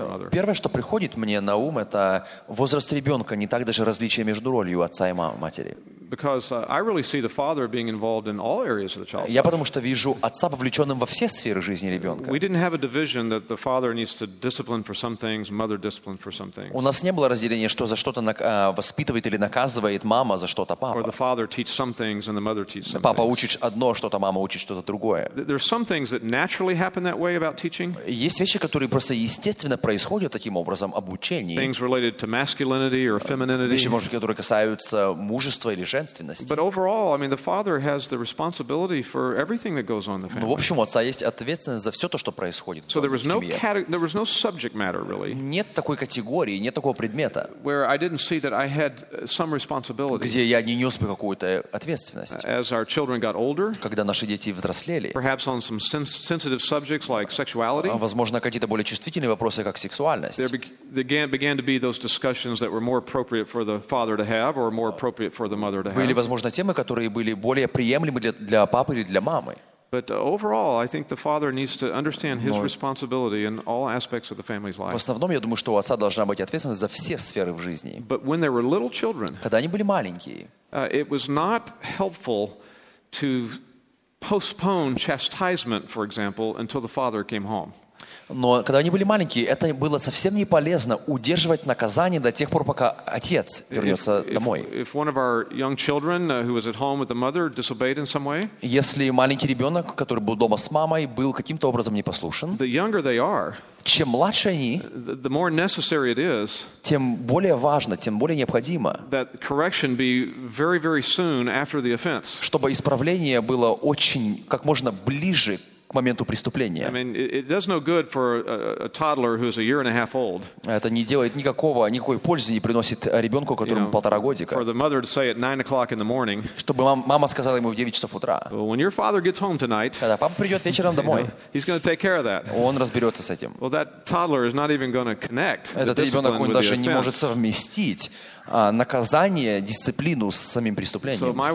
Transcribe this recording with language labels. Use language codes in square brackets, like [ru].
[ru] Первое, что приходит мне на ум, это возраст ребенка, не так даже различие между ролью отца и матери. [en] Because I really see the father being involved in all areas of the child's life. [ru] Я потому что вижу отца вовлеченным во все сферы жизни ребенка. [en] We didn't have a division that the father needs to discipline for some things, mother discipline for some things. [ru] У нас не было разделения, что за что-то воспитывает или наказывает мама за что-то папа. [en] Or the father teaches some things and the mother teaches some things. [ru] Папа учит одно что-то, мама учит что-то другое. [en] There are some things that naturally happen that way about teaching. [ru] Есть вещи, которые просто естественно происходят таким образом обучении. [en] Things related to masculinity or femininity. [ru] Вещи, может быть, которые касаются мужества или женства. женственности. [en] But overall, I mean, the father has the responsibility for everything that goes on in the family. [ru] Ну, в общем, у отца есть ответственность за все то, что происходит в семье. [en] So there was no subject matter really. [ru] Нет такой категории, нет такого предмета. [en] Where I didn't see that I had some responsibility. [ru] Где я не нёс бы какую-то ответственность. [en] As our children got older. [ru] Когда наши дети взрослели. [en] Perhaps on some sensitive subjects like sexuality. [ru] Возможно, какие-то более чувствительные вопросы, как сексуальность. [en] Began to be those discussions that were more appropriate for the father to have or more appropriate for the mother to have. [ru] Были, возможно, темы, которые были более приемлемы для папы или для мамы. [en] But overall, I think the father needs to understand his responsibility in all aspects of the family's life. [ru] В основном, я думаю, что у отца должна быть ответственность за все сферы в жизни. [en] But when they were little children, [ru] когда они были маленькие, [en] it was not helpful to postpone chastisement, for example, until the father came home. [ru] Но когда они были маленькие, это было совсем не полезно удерживать наказание до тех пор, пока отец вернется домой. [en] If one of our young children, who was at home with the mother, disobeyed in some way, [ru] если маленький ребенок, который был дома с мамой, был каким-то образом непослушен, [en] the younger they are, [ru] чем младше они, [en] the more necessary it is, [ru] тем более важно, тем более необходимо, [en] that correction be very, very soon after the offense, [ru] чтобы исправление было очень, как можно ближе к моменту преступления. [en] I mean, it does no good for a toddler who is a year and a half old. [ru] Это не делает никакой пользы не приносит ребенку, которому полтора годика. [en] For the mother to say at 9 o'clock in the morning. [ru] Чтобы мама сказала ему в 9 часов утра. [en] Well, when your father gets home tonight. [ru] Когда папа придет вечером домой. [en] He's going to take care of that. [ru] Он разберется с этим. [en] Well, that toddler is not even going to connect. [ru] Этот ребенок он даже не может совместить наказание, дисциплину с самим преступлением,